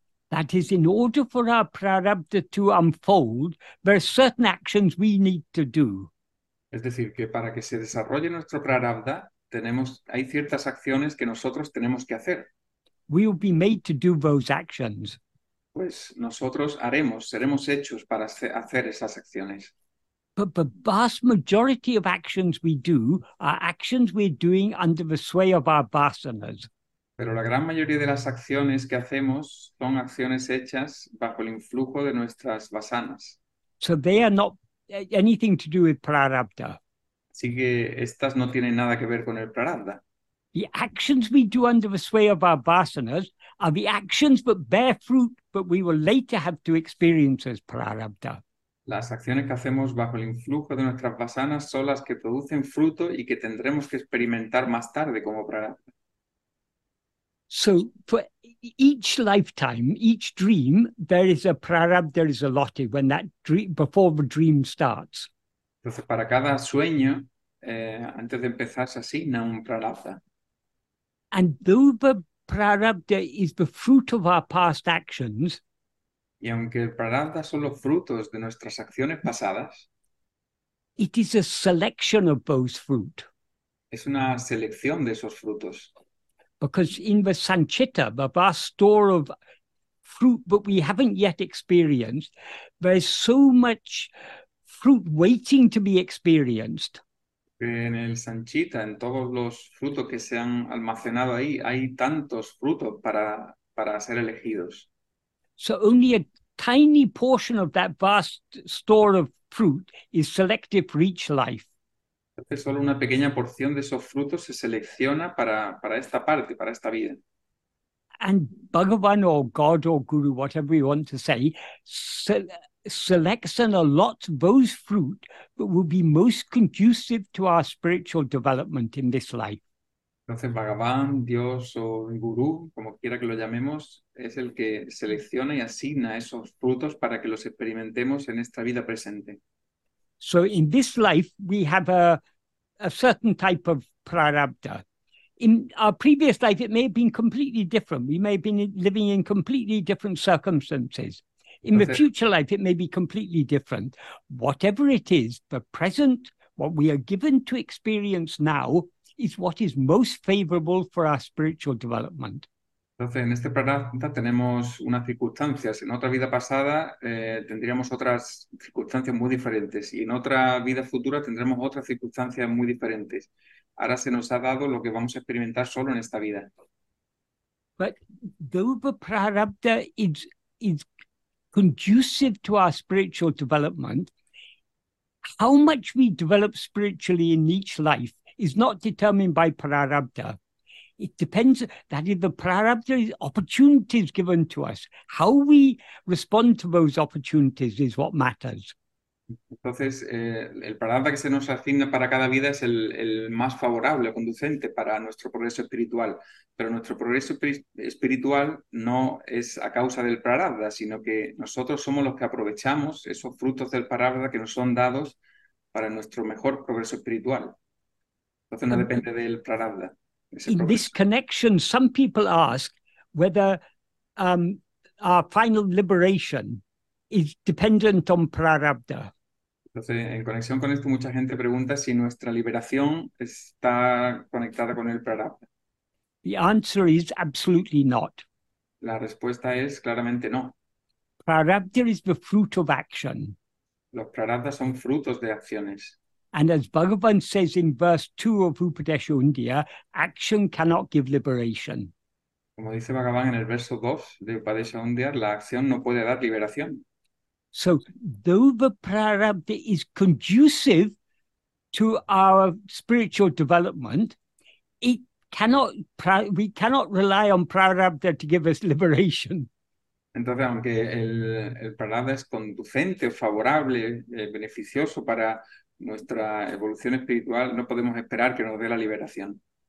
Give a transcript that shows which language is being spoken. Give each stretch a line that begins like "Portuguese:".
English: That is, in order for our prarabdha to unfold, there are certain actions we need to do.
Spanish: Es decir, que para que se desarrolle nuestro prarabdha, hay ciertas acciones que nosotros tenemos que hacer.
English: We will be made to do those actions.
Spanish: Pues nosotros seremos hechos para hacer esas acciones.
English: But the vast majority of actions we do are actions we're doing under the sway of our vasanas.
Spanish: Pero la gran mayoría de las acciones que hacemos son acciones hechas bajo el influjo de nuestras vasanas.
English: So they are not anything to do with prarabdha.
Spanish: Así que estas no tienen nada que ver con el prarabdha.
English: The actions we do under the sway of our vasanas are the actions that bear fruit that we will later have to experience as prarabdha.
Spanish: Las acciones que hacemos bajo el influjo de nuestras vasanas son las que producen fruto y que tendremos que experimentar más tarde como prarabdha.
English: So, for each lifetime, each dream, there is a prarabdha that is allotted when that dream, before the dream starts.
Spanish: Entonces, para cada sueño, antes de empezar, se asigna un prarabdha.
English: And though the prarabdha is the fruit of our past actions,
Spanish: y aunque el prarabdha son los frutos de nuestras acciones pasadas,
English: it is a selection of those fruit.
Spanish: Es una selección de esos frutos.
English: Because in the sanchitta, the vast store of fruit that we haven't yet experienced, there is so much fruit waiting to be experienced.
Spanish: En el sanchitta, en todos los frutos que se han almacenado ahí, hay tantos frutos para ser elegidos.
English: So only a tiny portion of that vast store of fruit is selected for each life.
Spanish: Entonces, solo una pequeña porción de esos frutos se selecciona para esta parte, para esta vida.
English: And Bhagavan or God or Guru, whatever you want to say, selects and allots those fruit that will be most conducive to our spiritual development in this life.
Spanish: Entonces, Bhagavan, Dios o Guru, como quiera que lo llamemos, es el que selecciona y asigna esos frutos para que los experimentemos en esta vida presente.
English: So in this life, we have a certain type of prarabdha. In our previous life, it may have been completely different. We may have been living in completely different circumstances. In the future life, it may be completely different. Whatever it is, the present, what we are given to experience now, is what is most favorable for our spiritual development.
Spanish: Entonces, en este prarabdha tenemos unas circunstancias. En otra vida pasada tendríamos otras circunstancias muy diferentes y en otra vida futura tendremos otras circunstancias muy diferentes. Ahora se nos ha dado lo que vamos a experimentar solo en esta vida.
English: But though the prarabdha is conducive to our spiritual development, how much we develop spiritually in each life is not determined by prarabdha. It depends that if the prarabdha is opportunities given to us, how we respond to those opportunities is what matters.
Spanish: Entonces, el prarabdha que se nos asigna para cada vida es el más favorable, conducente para nuestro progreso espiritual. Pero nuestro progreso espiritual no es a causa del prarabdha, sino que nosotros somos los que aprovechamos esos frutos del prarabdha que nos son dados para nuestro mejor progreso espiritual. Entonces, no depende del prarabdha.
English: In this connection, some people ask whether our final liberation is dependent on prarabdha.
Spanish: Entonces, en conexión con esto, mucha gente pregunta si nuestra liberación está conectada con el prarabdha.
English: The answer is absolutely not.
Spanish: La respuesta es claramente no.
English: Prarabdha is the fruit of action.
Spanish: Los prarabdhas son frutos de acciones.
English: And as Bhagavan says in verse 2 of 𝘷𝘪ṣ𝘢𝘺𝘢, action cannot give liberation.
Spanish: Como dice Bhagavan en el verso 2 de 𝘷𝘪ṣ𝘢𝘺𝘢, la acción no puede dar liberación.
English: So, though the prarabdha is conducive to our spiritual development, we cannot rely on prarabdha to give us liberation.
Spanish: Entonces, aunque el prarabdha es conducente o favorable, beneficioso para nuestra evolución espiritual, no podemos esperar que nos dé la liberación.